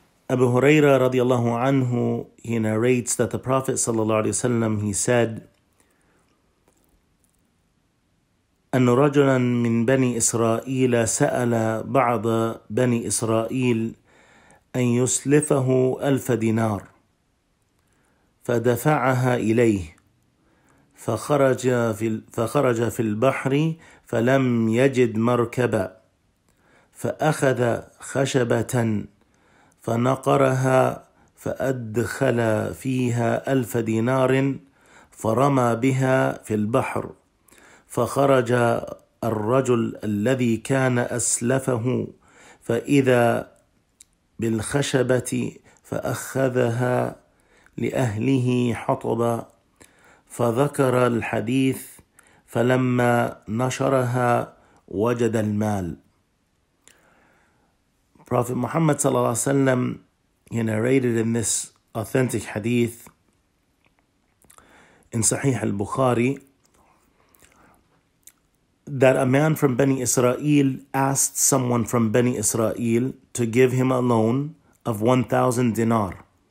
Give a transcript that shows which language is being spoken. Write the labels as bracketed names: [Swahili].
[English] Abu Hurairah radiallahu anhu, he narrates that the Prophet sallallahu alaihi wasallam, he said, [Arabic] أن رجلا من بني إسرائيل سأل بعض بني إسرائيل أن يسلفه 1,000 دينار فدفعها إليه فخرج في البحر فلم يجد مركبا، فأخذ خشبة فنقرها فأدخل فيها 1000 دينار فرمى بها في البحر، فخرج الرجل الذي كان أسلفه فإذا بالخشبة فأخذها لأهله حطبا، فذكر الحديث فلما نشرها وجد المال. [English] Prophet Muhammad sallallahu alaihi wasallam, he narrated in this authentic hadith in Sahih al-Bukhari that a man from Bani Israel asked someone from Bani Israel to give him a loan of 1,000 dinar.